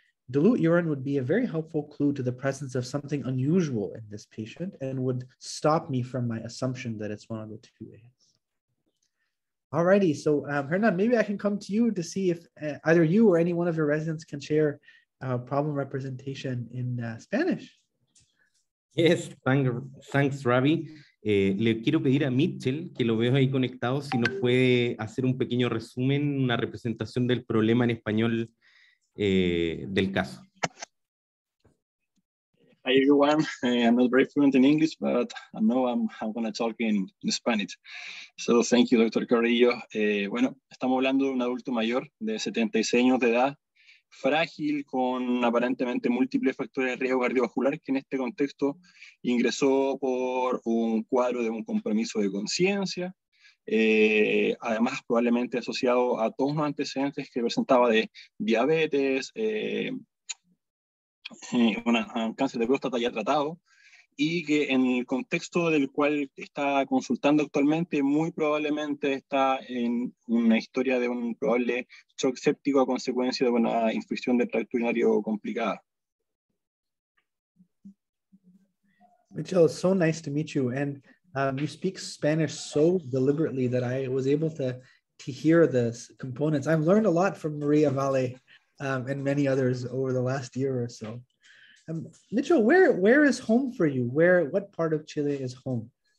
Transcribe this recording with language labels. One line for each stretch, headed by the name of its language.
English: Dilute urine would be a very helpful clue to the presence of something unusual in this patient and would stop me from my assumption that it's one of the 2A's. Alrighty, so Hernan, maybe I can come to you to see if either you or any one of your residents can share problem representation in Spanish. Yes, thanks, Ravi.
Spanish: Le quiero pedir a Mitchell, que lo veo ahí conectado, si nos puede hacer un pequeño resumen, una representación del problema en español del caso.
English: Hi, everyone. I'm not very fluent in English, but I know I'm going to talk in Spanish. So thank you, Dr. Carrillo.
Spanish: Bueno, estamos hablando de un adulto mayor de 76 años de edad, frágil con aparentemente múltiples factores de riesgo cardiovascular que en este contexto ingresó por un cuadro de un compromiso de conciencia, además probablemente asociado a todos los antecedentes que presentaba de diabetes, un cáncer de próstata ya tratado, y que en el contexto del cual está consultando actualmente, muy probablemente está en una historia de un probable shock séptico a consecuencia de una infección de tracto urinario complicada.
English: Mitchell, so nice to meet you. And you speak Spanish so deliberately that I was able to hear the components. I've learned a lot from Maria Valle and many others over the last year or so. Mitchell, where is home for you? Where, what part of Chile is home?